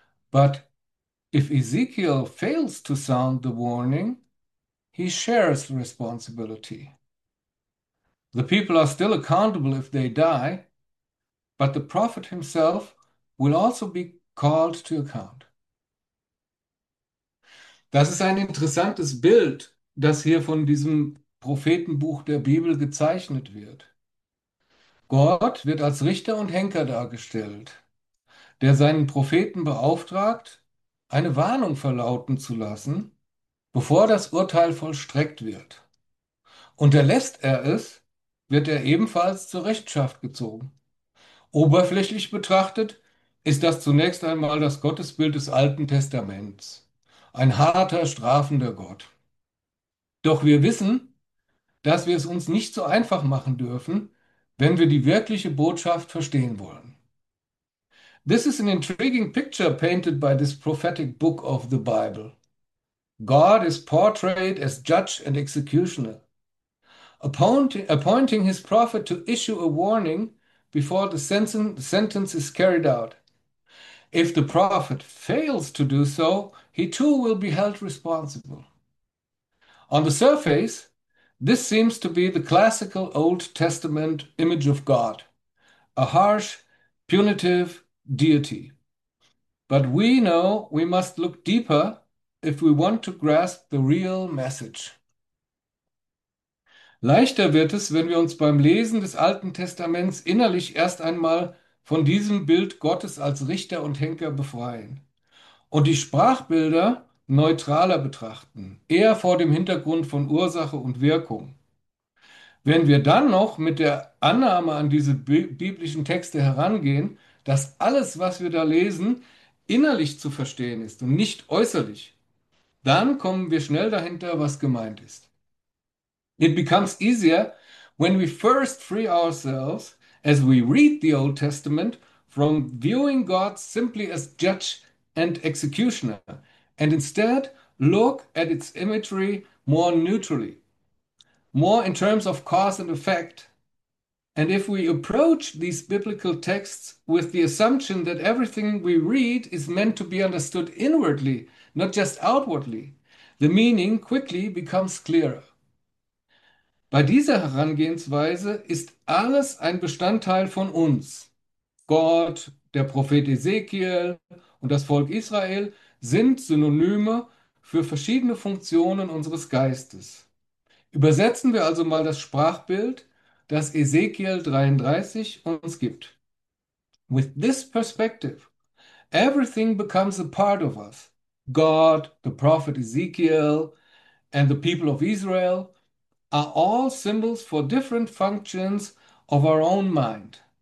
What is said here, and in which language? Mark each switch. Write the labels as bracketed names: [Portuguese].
[English] But if Ezekiel fails to sound the warning, he shares the responsibility. The people are still accountable if they die, but the prophet himself will also be called to account. [German] Das ist ein interessantes Bild, das hier von diesem Prophetenbuch der Bibel gezeichnet wird. Gott wird als Richter und Henker dargestellt, der seinen Propheten beauftragt, eine Warnung verlauten zu lassen, bevor das Urteil vollstreckt wird. Unterlässt er es, wird er ebenfalls zur Rechenschaft gezogen. Oberflächlich betrachtet ist das zunächst einmal das Gottesbild des Alten Testaments, ein harter, strafender Gott. Doch wir wissen, dass wir es uns nicht so einfach machen dürfen, wenn wir die wirkliche Botschaft verstehen wollen. [English] This is an intriguing picture painted by this prophetic book of the Bible. God is portrayed as judge and executioner, appointing his prophet to issue a warning before the sentence is carried out. If the prophet fails to do so, he too will be held responsible. On the surface, this seems to be the classical Old Testament image of God, a harsh, punitive deity. But we know we must look deeper if we want to grasp the real message. [German] Leichter wird es, wenn wir uns beim Lesen des Alten Testaments innerlich erst einmal von diesem Bild Gottes als Richter und Henker befreien und die Sprachbilder neutraler betrachten, eher vor dem Hintergrund von Ursache und Wirkung. Wenn wir dann noch mit der Annahme an diese biblischen Texte herangehen, dass alles, was wir da lesen, innerlich zu verstehen ist und nicht äußerlich, dann kommen wir schnell dahinter, was gemeint ist. [English] It becomes easier when we first free ourselves as we read the Old Testament from viewing God simply as judge and executioner and instead look at its imagery more neutrally, more in terms of cause and effect. And if we approach these biblical texts with the assumption that everything we read is meant to be understood inwardly, not just outwardly, the meaning quickly becomes clearer. [German] Bei dieser Herangehensweise ist alles ein Bestandteil von uns. Gott, der Prophet Ezekiel und das Volk Israel sind Synonyme für verschiedene Funktionen unseres Geistes. Übersetzen wir also mal das Sprachbild, das Ezekiel 33 uns gibt. [English] With this perspective, everything becomes a part of us. God, the prophet Ezekiel and the people of Israel. are all symbols for different functions of our own mind.